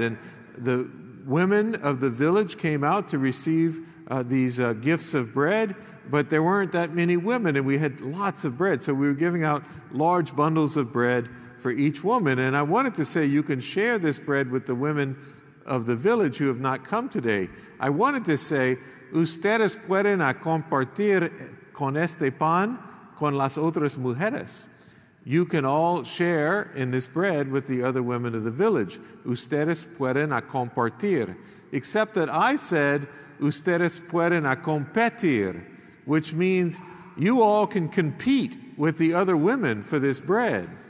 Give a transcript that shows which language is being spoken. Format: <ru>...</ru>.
<en>And the women of the village came out to receive these gifts of bread, but there weren't that many women, and we had lots of bread. So we were giving out large bundles of bread for each woman. And I wanted to say, you can share this bread with the women of the village who have not come today. I wanted to say,</en> <es>ustedes pueden a compartir con este pan con las otras mujeres.</es> <en>You can all share in this bread with the other women of the village.</en> <es>Ustedes pueden a compartir.</es> <en>Except that I said,</en> <es>ustedes pueden a competir,</es> <en>which means you all can compete with the other women for this bread.</en>